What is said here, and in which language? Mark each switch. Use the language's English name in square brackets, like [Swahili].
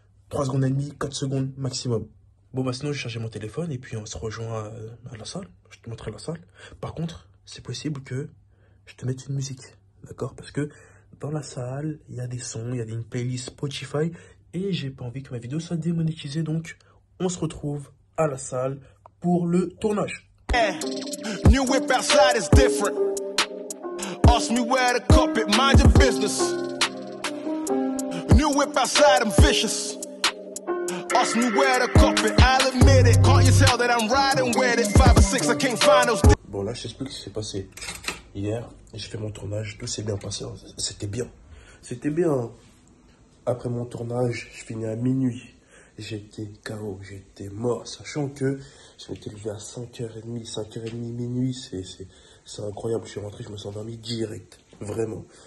[French] 3 secondes et demie, 4 secondes maximum. Bon, bah sinon, je vais charger mon téléphone et puis on se rejoint à la salle. Je te montrerai la salle. Par contre, c'est possible que je te mette une musique. D'accord? Parce que dans la salle, il y a des sons, il y a une playlist Spotify et j'ai pas envie que ma vidéo soit démonétisée. Donc, on se retrouve à la salle pour le tournage. [English] New whip outside is different. Ask me where the carpet, mind your business. New whip outside, I'm vicious. Ask me where the carpet, I'll admit it. Can't you tell that I'm riding with it? Five or six, I can't find those. [French] Bon, là, je t'explique ce qui s'est passé. Hier, j'ai fait mon tournage, tout s'est bien passé. C'était bien. C'était bien. Après mon tournage, je finis à minuit. J'étais KO, j'étais mort, sachant que je m'étais levé à 5h30, 5h30, minuit, c'est incroyable. Je suis rentré, je me suis endormi direct, vraiment.